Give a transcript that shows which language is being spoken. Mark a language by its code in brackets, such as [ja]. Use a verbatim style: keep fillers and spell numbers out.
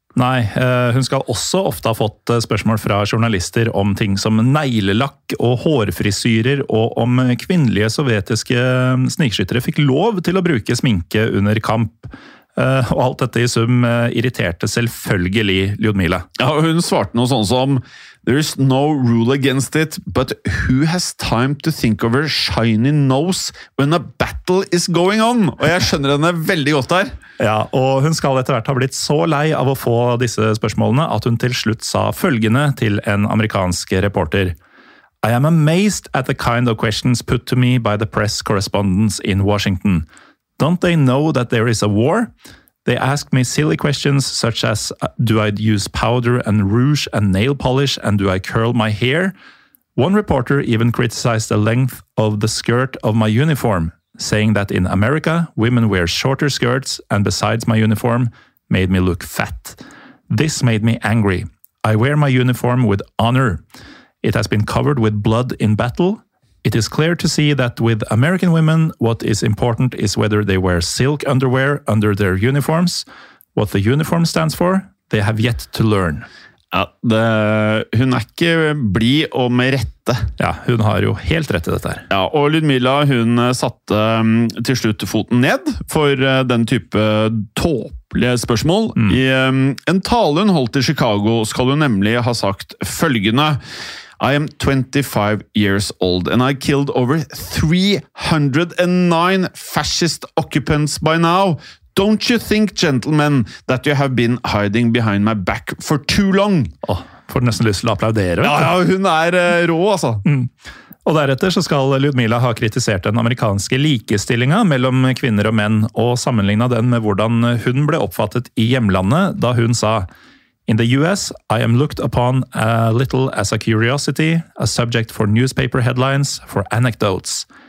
[no] Nei, hun skal også ofte ha fått spørsmål fra journalister om ting som neglelakk og hårfrisyrer, og om kvinnelige sovjetiske snikskyttere fikk lov til å bruke sminke under kamp. Og alt dette i sum irriterte selvfølgelig Ljudmila. Ja, hun svarte noe sånn som [en] «There's no rule against it, but who has time to think of her shiny nose when a battle is going on?» [no] Og jeg skjønner henne veldig godt der. Ja, og hun skal etter hvert ha blitt så lei av å få disse spørsmålene at hun til slutt sa følgende til en amerikansk reporter. [en] «I am amazed at the kind of questions put to me by the press correspondents in Washington. Don't they know that there is a war? They ask me silly questions such as, do I use powder and rouge and nail polish and do I curl my hair? One reporter even criticized the length of the skirt of my uniform, saying that in America, women wear shorter skirts and besides my uniform, made me look fat. This made me angry. I wear my uniform with honor. It has been covered with blood in battle. It is clear to see that with American women, what is important is whether they wear silk underwear under their uniforms. What the uniform stands for, they have yet to learn. [no] Ja, det, hun er ikke blid og med rette. Ja, hun har jo helt rett i dette her. Ja, og Ljudmila, hun satte til slutt foten ned for den type tåpelige spørsmål. Mm. I en tale hun holdt i Chicago skal hun nemlig ha sagt følgende: [en] I am twenty-five years old and I killed over three hundred nine fascist occupants by now. Don't you think, gentlemen, that you have been hiding behind my back for too long? [no] Åh, oh, får nesten lyst til å applaudere. Ja, ja, hun er uh, rå, altså. Mm. Og deretter så skal Ljudmila ha kritisert den amerikanske likestillingen mellom kvinner og menn, og sammenlignet den med hvordan hun ble oppfattet i hjemlandet da hun sa [en] «In the U S, I am looked upon a little as a curiosity, a subject for newspaper headlines, for anecdotes.